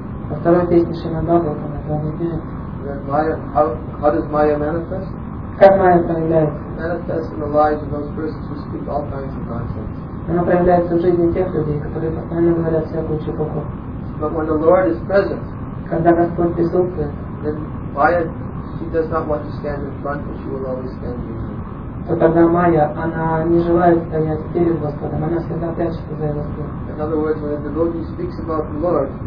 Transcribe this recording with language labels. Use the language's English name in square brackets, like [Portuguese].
[Russian] Во второй песне Шримад-Бхагаватам, это он объясняет. [English] How does Maya manifest? [Russian] Как Майя проявляется? [English] Manifests in the lives of those persons who speak all kinds of nonsense. [Russian] Она проявляется в жизни тех людей, которые постоянно говорят всякую чепуху. [English] But when the Lord is present, [Russian] когда Господь присутствует, [English] then Maya, she does not want to stand in front, but she will always stand behind. [Russian] То тогда Майя, она не желает стоять перед Господом, она всегда прячется за Его спиной.